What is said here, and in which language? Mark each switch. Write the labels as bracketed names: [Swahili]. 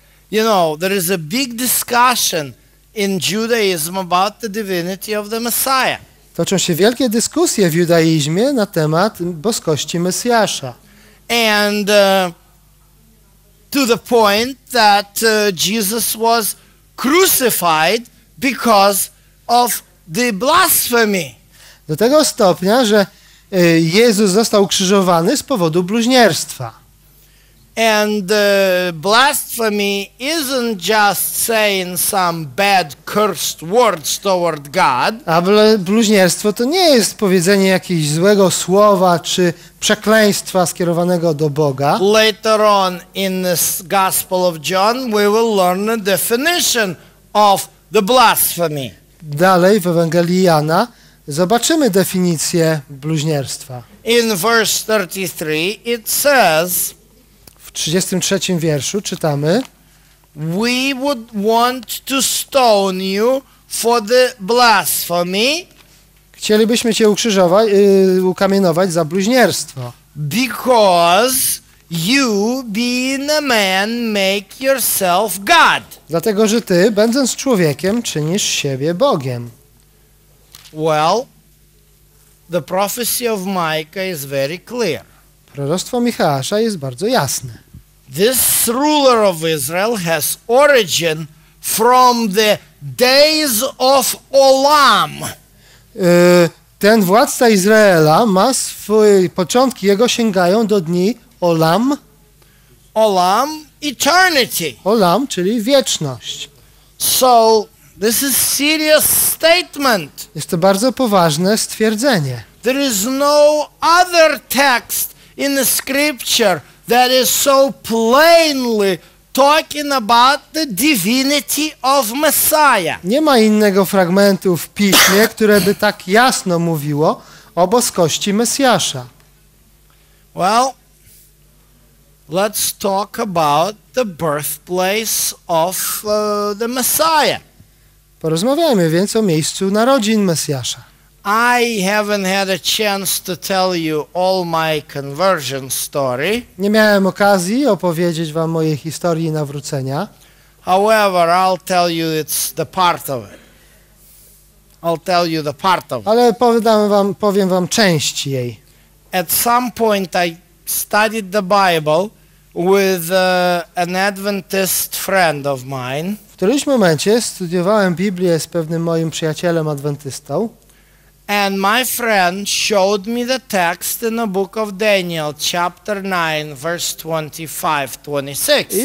[English] You know, there is a big discussion in Judaism about the divinity of the Messiah. [Polish] Toczą się wielkie dyskusje w judaizmie na temat boskości Mesjasza. [English] And to the point that Jesus was crucified because of the blasphemy. [Polish] Do tego stopnia, że Jezus został ukrzyżowany z powodu bluźnierstwa. [English] And blasphemy isn't just saying some bad cursed words toward God. [Polish] A bluźnierstwo to nie jest powiedzenie jakiegoś złego słowa czy przekleństwa skierowanego do Boga. [English] Later on in this Gospel of John we will learn the definition of the blasphemy. [Polish] Dalej w Ewangelii Jana zobaczymy definicję bluźnierstwa. [English] In verse 33 it says, [Polish] w 33 wierszu czytamy, [English] we would want to stone you for the blasphemy. [Polish] Chcielibyśmy cię ukrzyżować, ukamienować za bluźnierstwo. [English] Because you being a man make yourself God. [Polish] Dlatego, że ty będąc człowiekiem czynisz siebie Bogiem. [English] Well, the prophecy of Micah is very clear. [Polish] Proroctwo Michała jest bardzo jasne. [English] This ruler of Israel has origin from the days of Olam. [Polish] Ten władca Izraela ma swoje początki, jego sięgają do dni Olam. [English] Olam, eternity. [Polish] Olam, czyli wieczność. [English] So, this is serious statement. [Polish] Jest to bardzo poważne stwierdzenie. [English] There is no other text in the scripture that is so plainly talking about the divinity of Messiah. [Polish] Nie ma innego fragmentu w Piśmie, które by tak jasno mówiło o boskości Mesjasza. [English] Well, let's talk about the birthplace of the Messiah. [Polish] Porozmawiajmy więc o miejscu narodzin Mesjasza. [English] I haven't had a chance to tell you all my conversion story. [Polish] Nie miałem okazji opowiedzieć wam mojej historii nawrócenia. [English] However, I'll tell you it's the part of it. I'll tell you the part of it. [Polish] Ale powiem wam część jej. [English] At some point I studied the Bible with an Adventist friend of mine. [Polish] W którymś momencie studiowałem Biblię z pewnym moim przyjacielem adwentystą. [English] And my friend showed me the text in the book of Daniel, chapter 9, verse 25-26.